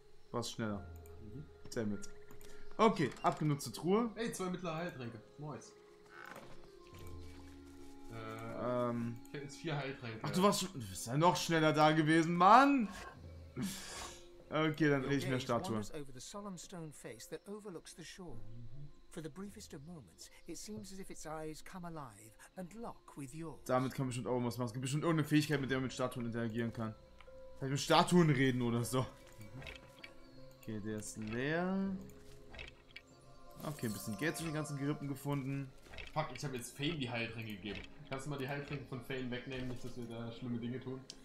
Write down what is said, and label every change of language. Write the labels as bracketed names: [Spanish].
[German] Was schneller. [English] Damn it. [German] Okay, abgenutzte Truhe. Ey, 2 mittlere Heiltränke. Neues. Ich hätte jetzt 4 Heiltränke. Ach, du warst schon. Du bist ja noch schneller da gewesen, Mann! Okay, dann drehe ich mir Statue. [English] Over the solemn stone face that overlooks the shore. For the briefest of moments, it seems as if its eyes come alive and lock with yours. [German] Damit kann man bestimmt auch was machen. Es gibt bestimmt irgendeine Fähigkeit, mit der man mit Statuen interagieren kann. Vielleicht mit Statuen reden oder so. Okay, der ist leer. Okay, ein bisschen Geld zwischen den ganzen Gerippen gefunden. Fuck, ich habe jetzt Fane die Heiltränke gegeben. Kannst du mal die Heiltränke von Fane wegnehmen, nicht, dass wir da schlimme Dinge tun?